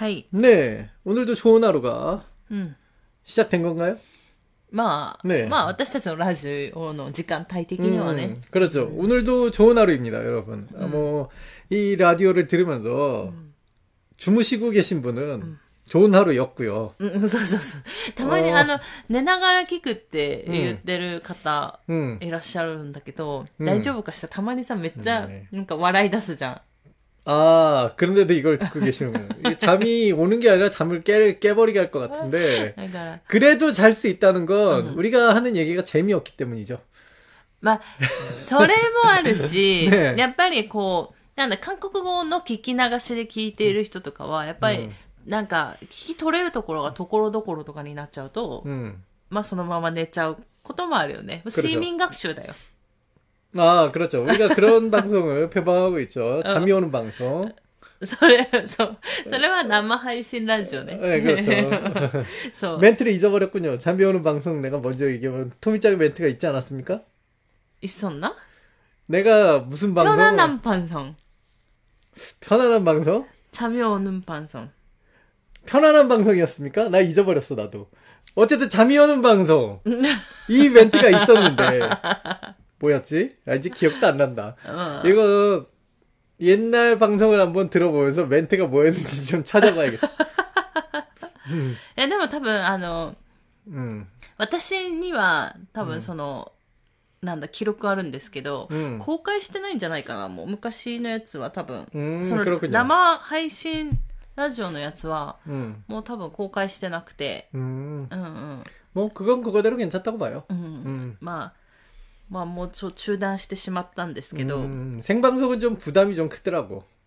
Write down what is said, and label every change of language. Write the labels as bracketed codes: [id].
[ko] 네, 오늘도 좋은 하루가 시작된 건가요? 네. [ja] 私たちの ラジオ の 時間帯的には ね. [ko] 그렇죠. 오늘도 좋은 하루입니다, 여러분. 뭐, 이 라디오를 들으면서 주무시고 계신 분은 좋은 하루였고요. [ja] たまに 寝ながら聞くって言ってる方いらっしゃるんだけど、大丈夫かした? たまにさ、めっちゃ、なんか笑い出すじゃん。 [ko] 아그런데도이걸듣고계시는군요잠이오는게아니라잠을깨버리게할것같은데그래도잘수있다는건우리가하는얘기가재미없기때문이죠 [ja] 막설레모아르시やっぱりこうなんだ韓国語の聞き流しで聞いている人とかはやっぱりなんか聞き取れるところがところどころとかになっちゃうとまあそのまま寝ちゃうこともあるよね睡眠学習だよ [ko] 아그렇죠우리가그런 방송을표방하고있죠잠이오는방송 [ja] それは生配信ラジオね [ko] 네그렇죠 so. 멘트를잊어버렸군요잠이오는방송내가먼저얘기하면토미짱의멘트가있지않았습니까 있었나 내가무슨방송 편안한방송 편안한방송 잠이오는방송 편안한방송이었습니까나잊어버렸어나도어쨌든잠이오는방송 이멘트가있었는데 뭐였지아이제기억도안난다이거옛날방송을한번들어보면서멘트가뭐였는지좀찾아봐야겠어 [ja] 예でも多分あの私には多分そのなんだ記録あるんですけど公開してないんじゃないかなもう昔のやつは多分その生配信ラジオのやつはもう多分公開してなくて [ko] もう그건그거대로괜찮다고봐요 [ja] まあもうちょ中断してしまったんですけど [ko] 생방송은좀부담이좀크더라고